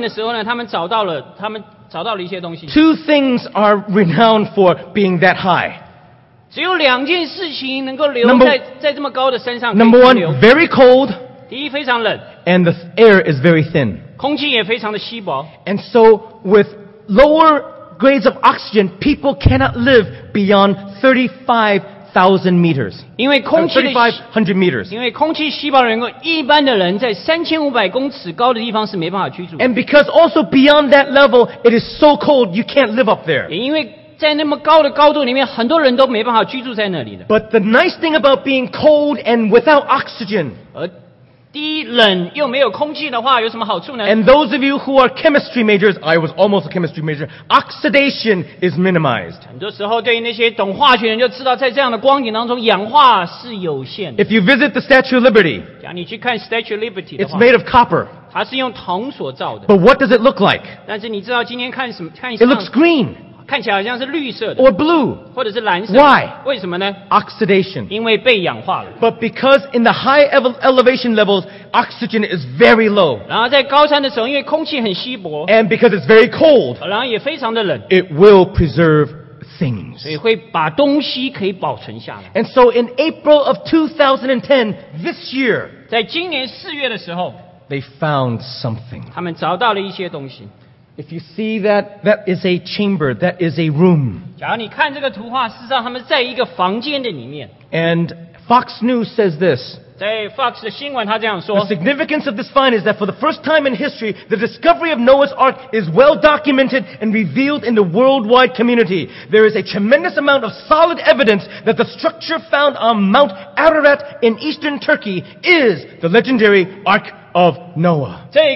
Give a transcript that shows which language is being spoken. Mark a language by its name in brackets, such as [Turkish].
[Chinese] 差不多4,000尺这么高的高山的上面的时候呢,他们找到了一些东西。 [English] Two things are renowned for being that high. [Chinese] 只有两件事情能够留在这么高的山上。 [English] Number one, very cold. [Chinese] 第一非常冷, [English] and the air is very thin. [Chinese] 空气也非常的稀薄, [English] and so with lower grades of oxygen, people cannot live beyond 35,000 meters. 3,500 meters. [Chinese] 因为空气稀薄的人,一般的人在3,500公尺高的地方是没办法居住。 [English] And because also beyond that level, it is so cold, you can't live up there. [Chinese] 也因为在那么高的高度里面,很多人都没办法居住在那里的。 [English] But the nice thing about being cold and without oxygen, [Chinese] 低冷又没有空气的话，有什么好处呢？ [English] And those of you who are chemistry majors, I was almost a chemistry major, oxidation is minimized. [Chinese] 很多时候对于那些懂化学人就知道在这样的光景当中氧化是有限的。 [English] If you visit the Statue of Liberty, [Chinese] 假如你去看 Statue of Liberty 的话, [English] it's made of copper. [Chinese] 它是用铜所造的。 [English] But what does it look like? [Chinese] 但是你知道今天看什么, [English] it looks green. [Chinese] 看起来好像是绿色的, [English] or blue. [Chinese] 或者是蓝色的, [English] Why? [Chinese] 为什么呢? [English] Oxidation. [Chinese] 因为被氧化了。 [English] But because in the high elevation levels, oxygen is very low. [Chinese] 然后在高山的时候, 因为空气很稀薄, [English] and because it's very cold, [Chinese] 然后也非常的冷, [English] it will preserve things. [Chinese] 所以会把东西可以保存下来。 [English] And so in April of 2010, this year, [Chinese] 在今年4月的时候, [English] they found something. [Chinese] 他们找到了一些东西。 [English] If you see that, that is a chamber, that is a room. [Chinese] 假如你看这个图画, 事实上他们在一个房间的里面。 [English] And Fox News says this. [Chinese] 在Fox的新闻他这样说, [English] the significance of this find is that for the first time in history, the discovery of Noah's Ark is well documented and revealed in the worldwide community. There is a tremendous amount of solid evidence that the structure found on Mount Ararat in eastern Turkey is the legendary Ark of Noah.